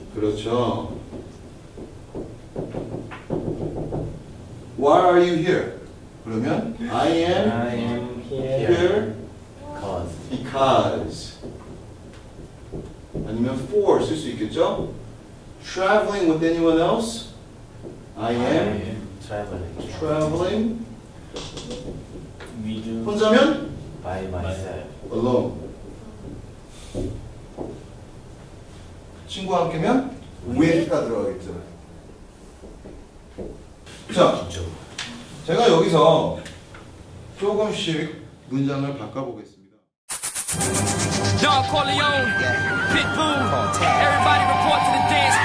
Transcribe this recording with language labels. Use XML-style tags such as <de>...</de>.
<ko>그렇죠.</ko> <en>Why are you here?</en> <ko>그러면</ko> <en>I am here. Because.</en> <ko>아니면 for 쓸 수 있겠죠?</ko> <en>Traveling with anyone else? I am traveling. We do</en> <ko>혼자면</ko> <en>by myself. Alone.</en> <ko>친구와 함께면 with가 들어가겠죠. 자, 제가 여기서 조금씩 문장을 바꿔보겠습니다.</ko> <en>Don Corleone, Pitbull, everybody report to the dance.</en>